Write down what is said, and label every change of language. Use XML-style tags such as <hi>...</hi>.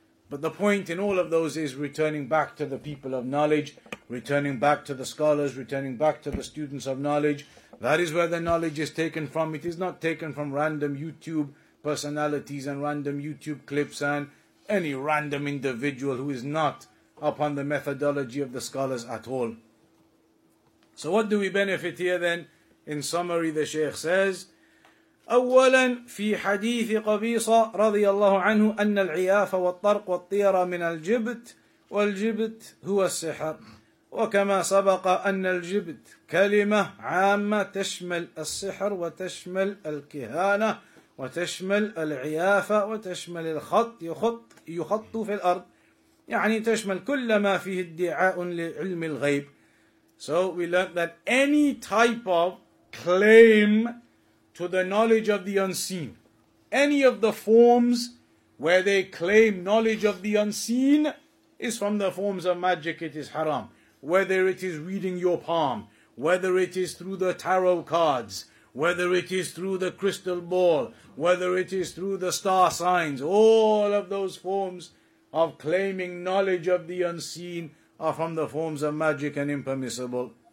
<en>But the point in all of those is returning back to the people of knowledge, returning back to the scholars, returning back to the students of knowledge. That is where the knowledge is taken from. It is not taken from random YouTube personalities and random YouTube clips and any random individual who is not upon the methodology of the scholars at all. So what do we benefit here then? In summary, the Shaykh says,</en> <ar>أولاً في حديث قبيصة رضي الله عنه أن العياف والطرق والطيرة من الجبت والجبت هو السحر وكما سبق أن الجبت كلمة عامة تشمل السحر وتشمل الكهانة وتشمل العيافة وتشمل الخط يخط في الأرض يعني تشمل كل ما فيه ادعاء لعلم الغيب.</ar> <en>So we learned that any type of claim to the knowledge of the unseen, any of the forms where they claim knowledge of the unseen, is from the forms of magic, it is haram. Whether it is reading your palm, whether it is through the tarot cards, whether it is through the crystal ball, whether it is through the star signs, all of those forms of claiming knowledge of the unseen are from the forms of magic and impermissible.</en>